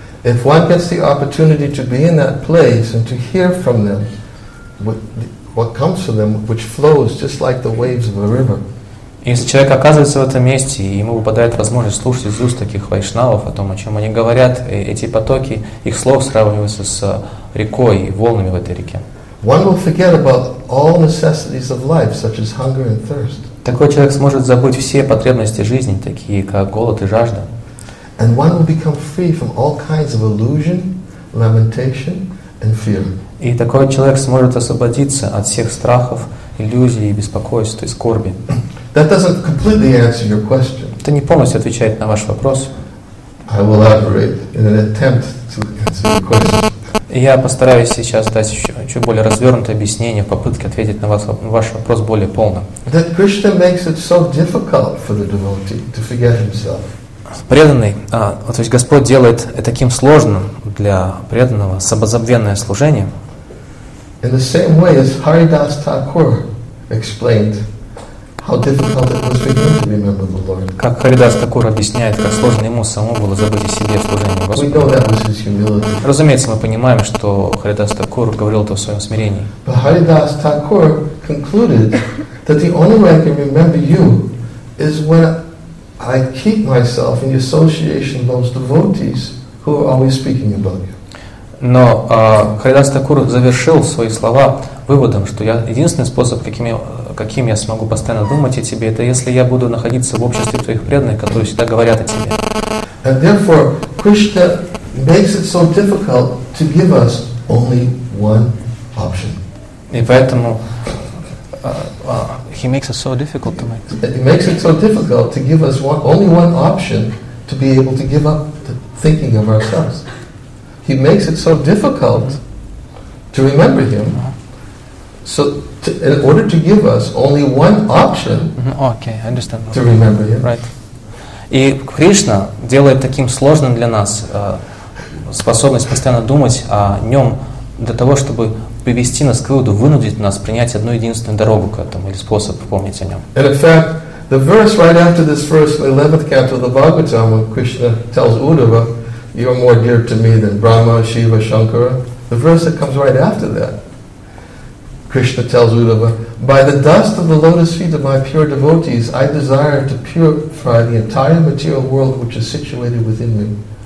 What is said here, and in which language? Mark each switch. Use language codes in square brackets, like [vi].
[en] If one gets the opportunity to be in that place and to hear from them, what comes from them, which flows just like the waves of a river. [ru] Если человек оказывается в этом месте, и ему выпадает возможность слушать из уст таких вайшнавов о том, о чем они говорят, эти потоки, их слов сравниваются с рекой и волнами в этой реке. [en] One will forget about all necessities of life, such as hunger and thirst. [ru] Такой человек сможет забыть все потребности жизни, такие как голод и жажда. [en] And one will become free from all kinds of illusion, lamentation, and fear. [ru] И такой человек сможет освободиться от всех страхов, иллюзий, беспокойств и скорби. [en] That doesn't completely answer your question. [ru] Это не полностью отвечает на ваш вопрос. [en] I will elaborate in an attempt to answer your question. [ru] Я постараюсь сейчас дать еще чуть более развернутое объяснение в попытке ответить на вас, на ваш вопрос более полно. [en] That Krishna makes it so difficult for the devotee to forget himself. [ru] Преданный, то есть Господь делает таким сложным для преданного самозабвенное служение. [en] In the same way as Haridas Thakur explained how difficult it was for him to remember the Lord. [ru] Как Харидас Такур объясняет, как сложно ему самому было забыть о себе в служении Господу. [en] We know that was his humility. [ru] Разумеется, мы понимаем, что Харидас Такур говорил это в своем смирении. [en] But Haridas Thakur concluded that the only way I can remember you is when I keep myself in the association of those devotees who are always speaking about you. [ru] Но Харидас Такур завершил свои слова выводом, что я, единственный способ, каким я смогу постоянно думать о тебе, это если я буду находиться в обществе твоих преданных, которые всегда говорят о тебе. [en] And therefore, Krishna makes it so difficult to give us only one option. [ru] И поэтому [en] he makes it so difficult to make. He makes it so difficult to give us only one option to be able to give up the thinking of ourselves. He makes it so difficult to remember him. So, in order to give us only one option, okay, I understand. To remember him, right? [ru] И Кришна делает таким сложным для нас способность постоянно думать о нем для того, чтобы привести нас к выводу, вынудить нас принять одну единственную дорогу к этому или способ помнить о нем. [en] And in fact, the verse right after this verse, the 11th canto of the Bhagavatam, when Krishna tells Uddhava, "You are more dear to me than Brahma, Shiva, Shankara," the verse that comes right after that. Krishna tells Uddhava, "By the dust of the lotus feet of my pure devotees, I desire to purify the entire material world which is situated within me."